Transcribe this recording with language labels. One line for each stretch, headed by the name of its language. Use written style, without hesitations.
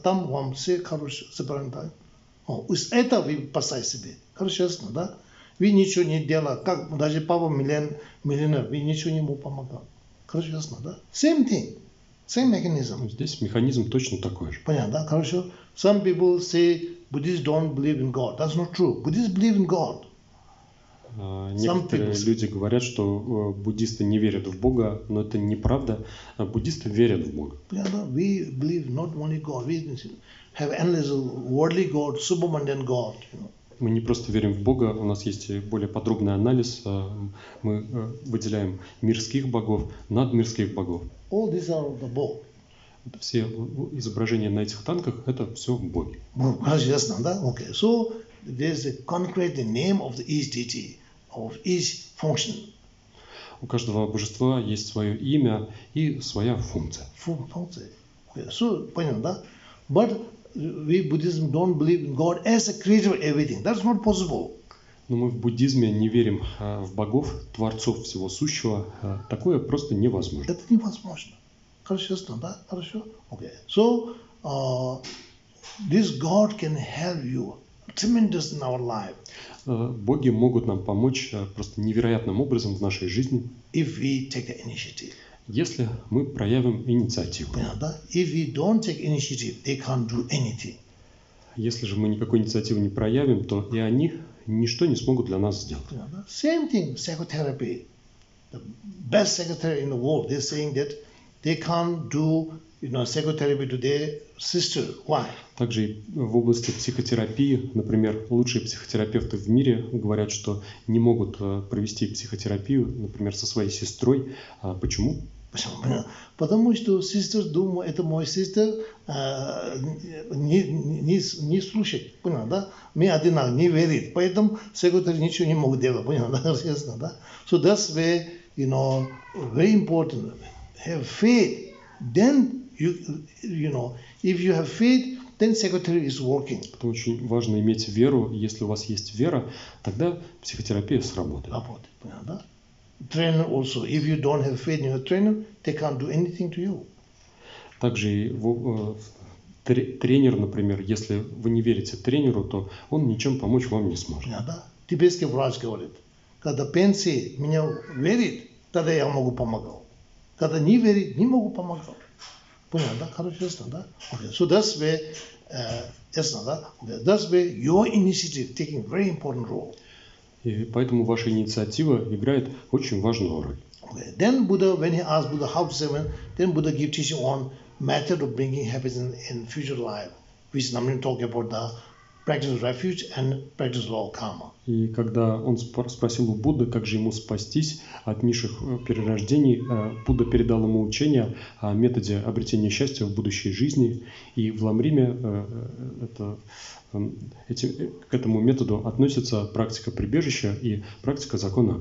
Russian: Там вам все хорошие собрания. О, из этого вы спасай себе. Хорошо, ясно, да? Вы ничего не делали. Как даже папа миллионер, вы ничего не ему помогал. Хорошо, ясно, да?
English: Same thing. Same mechanism.
Russian: Здесь механизм точно такой же. Понял, да? Хорошо.
English: Some people say Buddhists don't believe in God. That's not true. Buddhists believe in God.
Russian: Некоторые люди говорят, что буддисты не верят в Бога, но это неправда. Буддисты верят в Бога.
English: We believe not only God, we have endless worldly God, supermundane God.
Russian: Мы не просто верим в Бога, у нас есть более подробный анализ. Мы выделяем мирских богов, надмирских богов.
English: All these are the Bog.
Russian: Все изображения на этих танках – это все боги. Ясно, да? Окей.
English: So there's a concrete name of the each deity. Of each function.
Russian: У каждого божества есть свое имя и своя функция. Функция.
English: Okay. So,
Russian: понятно, да?
English: But we Buddhism don't believe in God as a creator of everything. That's not possible.
Russian: Но мы в буддизме не верим в богов, творцов всего сущего. Такое просто невозможно. Это невозможно. Хорошо, ясно, да? Хорошо?
English: Okay. So, this God can help you. Tremendous in our life.
Russian: Боги могут нам помочь просто невероятным образом в нашей жизни.
English: If we take the initiative.
Russian: Если мы проявим инициативу. Понятно, да?
English: If we don't take initiative, they can't do anything.
Russian: Если же мы никакой инициативы не проявим, то и они ничто не смогут для нас сделать. Понятно, да?
English: Same thing, psychotherapy. The best psychotherapy in the world. They're saying that they can't do, you know, psychotherapy to their sister. Why?
Russian: Также и в области психотерапии, например, лучшие психотерапевты в мире говорят, что не могут провести психотерапию, например, со своей сестрой. А почему? Почему? Потому что сестра думает, это мой сестер, не слушает, понял, да? Мы одинаковы, не верит, поэтому психотерапевт ничего не могут делать, понял, да? Честно, да?
English: So that's where, you know, very important, have faith, then you know, if you have faith, then psychotherapy is working.
Russian: Это очень важно иметь веру. Если у вас есть вера, тогда психотерапия сработает. Работает, понятно, да?
English: Trainer also. If you don't have faith in your trainer, they can't do anything to you.
Russian: Также и тренер, например, если вы не верите тренеру, то он ничем помочь вам не сможет. Понятно, да? Тибетский врач говорит, когда пенсии меня верит, тогда я могу помогать. Когда не верит, не могу помогать. Понятно, да? Хорошо, ясно, да?
English: Okay. So that's where,
Russian: ясно, да? Okay.
English: That's where your initiative taking very important role.
Russian: И поэтому ваша инициатива играет очень важную роль.
English: Okay. Then Buddha, when he asked Buddha how to save him, then Buddha gave teaching on method of bringing happiness in future life, which I'm going to talk about the practice of refuge and practice of law karma.
Russian: И когда он спросил у Будды, как же ему спастись от низших перерождений, Будда передал ему учение о методе обретения счастья в будущей жизни. И в Ламриме к этому методу относится практика прибежища и практика закона